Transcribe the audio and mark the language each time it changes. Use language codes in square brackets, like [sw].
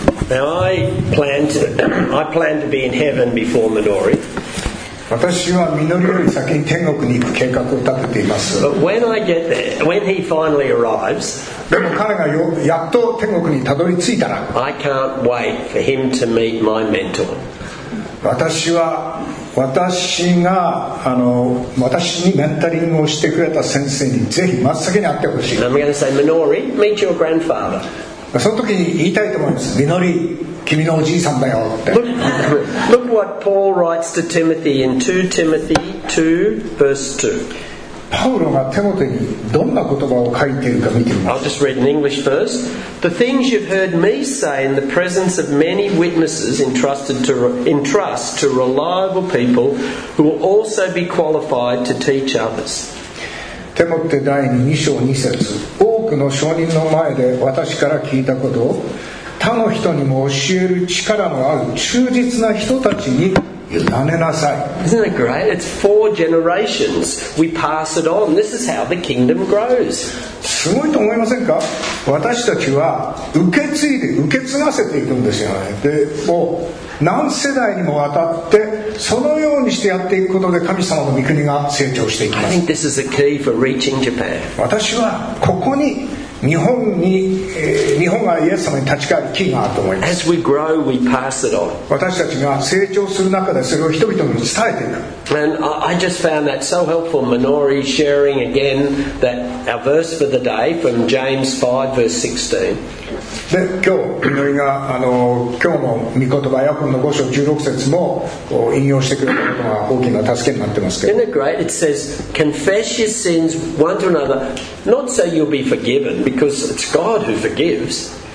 [en] Now I plan to be in heaven before Midori. [ja] 私はミノリより先に天国に行く計画を立てています。 [en] But when I get there, when he finally arrives, [ja] でも彼がやっと天国にたどり着いたら、 [en] I can't wait for him to meet my mentor. [ja] 私は私が私にメンタリングをしてくれた先生にぜひ真っ先に会ってほしい。 [en] I'm going to say, Minori, meet your grandfather. [ja] その時に言いたいと思います。みのり、君のおじいさんだよって。 [en] Look what Paul writes to Timothy in 2 Timothy 2 verse 2. [ja] パウロがテモテにどんな言葉を書いているか見てみます。 [en] I'll just read in English first. The things you've heard me say in the presence of many witnesses entrust to reliable people who will also be qualified to teach others. [ja] テモテ第2章2節、多くの証人の前で私から聞いたことを他の人にも教える力のある忠実な人たちに委ねなさい。 [en] Isn't that great? It's four generations. We pass it on. This is how the kingdom grows. [ja] すごいと思いませんか？私たちは受け継いで受け継がせていくんですよね。でもう何世代にもわたってそのようにしてやっていくことで神様の御国が成長していきます。 [en] I think this is the key for reaching Japan. [ja] 私はここに日本がイエス様に立ち返るキーがあると思います。 [en] As we grow, we pass it on. [ja] 私たちが成長する中でそれを人々に伝えていく。 [en] And I just found that so helpful, Minori sharing again that our verse for the day from James 5 verse 16. [ja] で今日ミノリが今日も御言葉ヤコブの5章16節も引用してくれたことが大きな助けになってますけど、 [en] Isn't it great? It says, confess your sins one to another, not so you'll be forgiven.Because it's God who forgives.